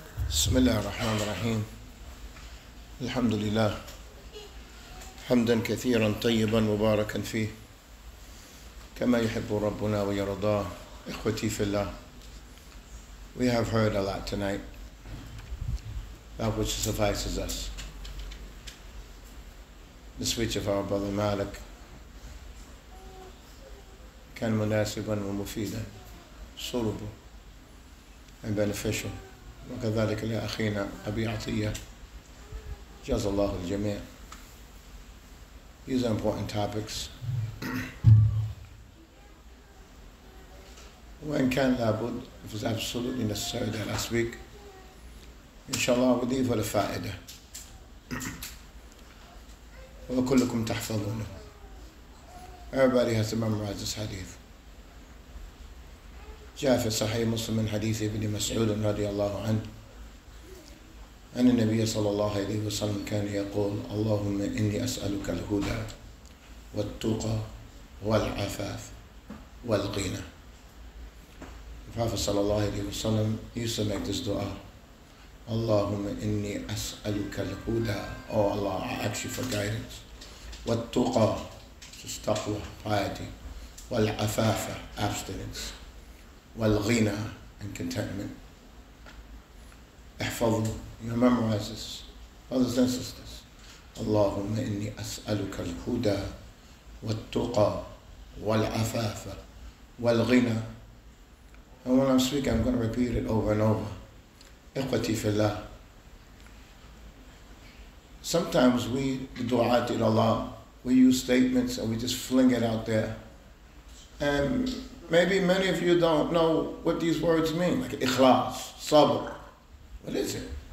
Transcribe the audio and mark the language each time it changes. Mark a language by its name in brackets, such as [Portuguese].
[Arabic] بسم الله الرحمن الرحيم الحمد لله حمدا كثيرا طيبا مباركا فيه كما يحب ربنا ويرضاه إخوتي في الله. [English] We have heard a lot tonight, that which suffices us. The speech of our brother Malik [Arabic] كان مناسبا ومفيدا صلبا [English] and beneficial. [Arabic] وكذلك لأخينا أبي عطية جزا الله الجميع. [English] These are important topics. [Arabic] وإن كان لابد, [English] if it's absolutely necessary that I speak, [Arabic] إن شاء الله وديه ولا فائدة. وكلكم تحفظونه. [English] Everybody has to memorize this hadith. [Arabic] جاء في صحيح مسلم من حديث ابن مسعود رضي الله عنه أن النبي صلى الله عليه وسلم كان يقول اللهم إني أسألك الهدى والتقى والعفاف والغنى. [English] Prophet صلى الله عليه وسلم used to make this dua. [Arabic] اللهم إني أسألك الهدى. [English] Oh Allah, I ask you for guidance. والتقى, just taqwa, piety. والعفاف, abstinence. والغنى, and contentment. [Arabic] احفظوا. [English] You memorize this, brothers and sisters. [Arabic] اللهم إني أسألك الهدى والتقى والعفاف والغنى. [English] And when I'm speaking, I'm going to repeat it over and over. [Arabic] إخوتي في الله. [English] Sometimes we, the du'at in Allah, we use statements and we just fling it out there. And maybe many of you don't know what these words mean, like ikhlas, sabr. What is it?